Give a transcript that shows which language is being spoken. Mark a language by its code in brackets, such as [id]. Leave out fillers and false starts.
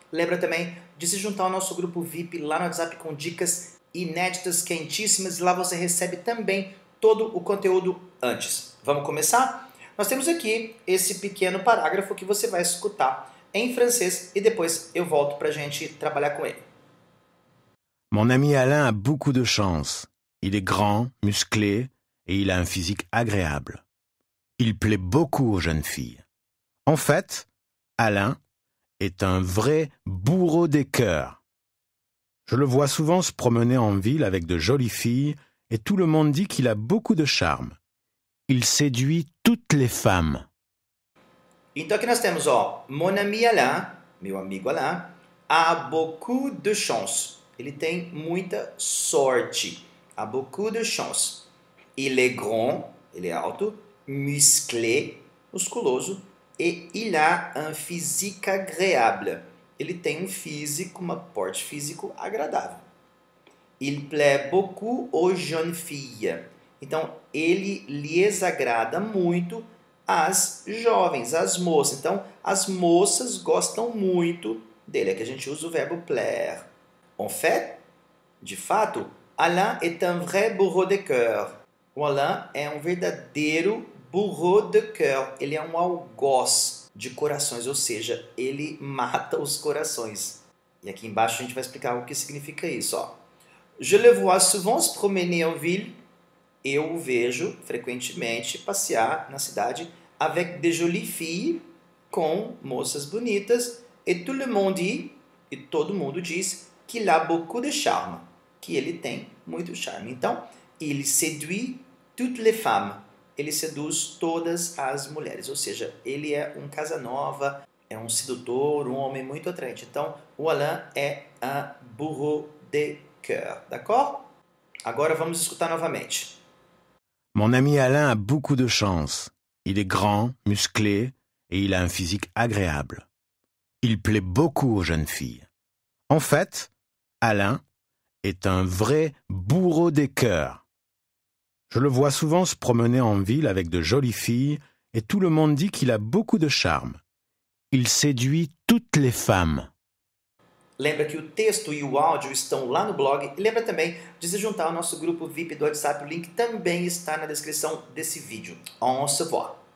[pt] Lembra também de se juntar ao nosso grupo VIP lá no WhatsApp com dicas inéditas, quentíssimas, e lá você recebe também todo o conteúdo antes. Vamos começar? Nós temos aqui esse pequeno parágrafo que você vai escutar em francês e depois eu volto para a gente trabalhar com ele. [fr] Mon ami Alain a beaucoup de chance. Il est grand, musclé et il a un physique agréable. Il plaît beaucoup aux jeunes filles. En fait, Alain est un vrai bourreau des cœurs. Je le vois souvent se promener en ville avec de jolies filles et tout le monde dit qu'il a beaucoup de charme. Il séduit toutes les femmes. [pt] Então aqui nós temos, ó, [fr] mon ami Alain, [pt] meu amigo Alain, [fr] a beaucoup de chance. [pt] Ele tem muita sorte. [fr] A beaucoup de chance. Il est grand, [pt] ele é alto, [fr] musclé, [pt] musculoso, [fr] et il a un physique agréable. [pt] Ele tem um físico, um porte físico agradável. [fr] Il plaît beaucoup aux jeunes filles. [pt] Então, ele lhes agrada muito as jovens, as moças. Então, as moças gostam muito dele. Aqui a gente usa o verbo plaire. [fr] En fait, [pt] de fato, [fr] Alain est un vrai bourreau de cœur. [pt] O Alain é um verdadeiro [fr] bourreau de cœur. [pt] Ele é um algoz de corações, ou seja, ele mata os corações. E aqui embaixo a gente vai explicar o que significa isso. Ó. [fr] Je le vois souvent se promener en ville. [pt] Eu o vejo frequentemente passear na cidade [fr] avec des jolies filles, [pt] com moças bonitas, [fr] et tout le monde dit, [pt] e todo mundo diz, [fr] qu'il a beaucoup de charme, [pt] que ele tem muito charme. Então, [fr] il séduit toutes les femmes, [pt] ele seduz todas as mulheres, ou seja, ele é um casanova, é um sedutor, um homem muito atraente. Então, o Alain é [fr] un bourreau de cœur, d'accord? [pt] Agora vamos escutar novamente. [fr] Mon ami Alain a beaucoup de chance. Il est grand, musclé et il a un physique agréable. Il plaît beaucoup aux jeunes filles. En fait, Alain est un vrai bourreau des cœurs. Je le vois souvent se promener en ville avec de jolies filles et tout le monde dit qu'il a beaucoup de charme. Il séduit toutes les femmes. [pt] Lembra que o texto e o áudio estão lá no blog. E lembra também de se juntar ao nosso grupo VIP do WhatsApp. O link também está na descrição desse vídeo. [fr] On se voit.